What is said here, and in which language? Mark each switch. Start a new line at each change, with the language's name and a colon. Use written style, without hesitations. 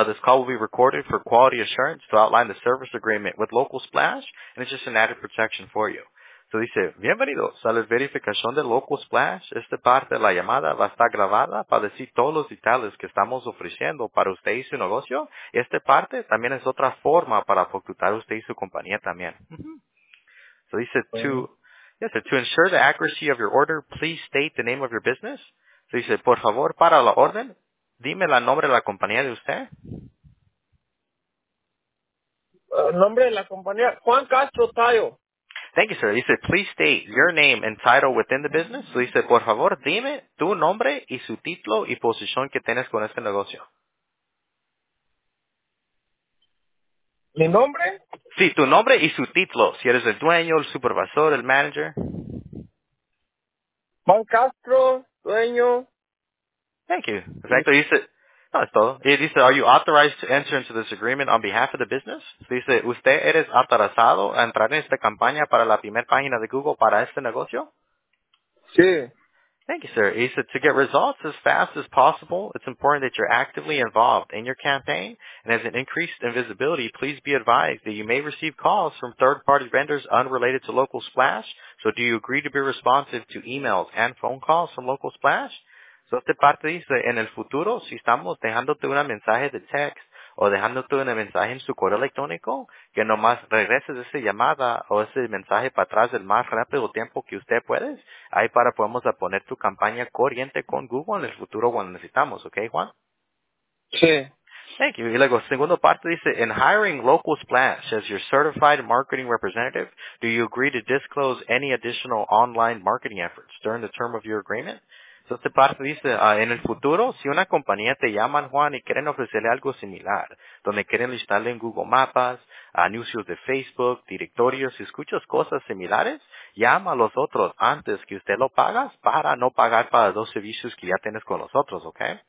English: This call will be recorded for quality assurance to outline the service agreement with Local Splash, and it's just an added protection for you.
Spanish: So dice, bienvenidos a la verificación de Local Splash. Esta parte de la llamada va a estar grabada para decir todos los detalles que estamos ofreciendo para usted y su negocio. Y esta parte también es otra forma para facturar usted y su compañía también.
English: So dice, to ensure the accuracy of your order, please state the name of your business.
Spanish: So dice, por favor, para la orden, dime el nombre de la compañía de usted. Nombre de la compañía, Juan Castro Tayo.
English: Thank you, sir. He said, please state your name and title within the business. So he said,
Spanish: por favor, dime tu nombre y su título y posición que tienes con este negocio. ¿Mi nombre? Sí, tu nombre y su título. Si eres el dueño, el supervisor, el manager. Juan Castro, dueño.
English: Thank you. Perfecto. He said, he said, are you authorized to enter into this agreement on behalf of the business? So he said,
Spanish: ¿usted eres autorizado a entrar en esta campaña para la primera página de Google para este negocio? Sí.
English: Thank you, sir. He said, to get results as fast as possible, it's important that you're actively involved in your campaign. And as an increased in visibility, please be advised that you may receive calls from third-party vendors unrelated to Local Splash. So do you agree to be responsive to emails and phone calls from Local Splash?
Spanish: So esta parte dice, en el futuro, si estamos dejándote un mensaje de text o dejándote un mensaje en su correo electrónico, que nomás regreses esa llamada o ese mensaje para atrás el más rápido tiempo que usted puede, ahí para podemos poner tu campaña corriente con Google en el futuro cuando necesitamos, ¿ok, Juan? Sí.
English: Thank you.
Spanish: Y luego, segundo parte dice,
English: in hiring Local Splash as your certified marketing representative, do you agree to disclose any additional online marketing efforts during the term of your agreement?
Spanish: Entonces, esta parte dice, en el futuro, si una compañía te llama, Juan, y quieren ofrecerle algo similar, donde quieren listarle en Google Maps, anuncios de Facebook, directorios, si escuchas cosas similares, llama a los otros antes que usted lo pagas para no pagar para dos servicios que ya tienes con los otros, ¿ok?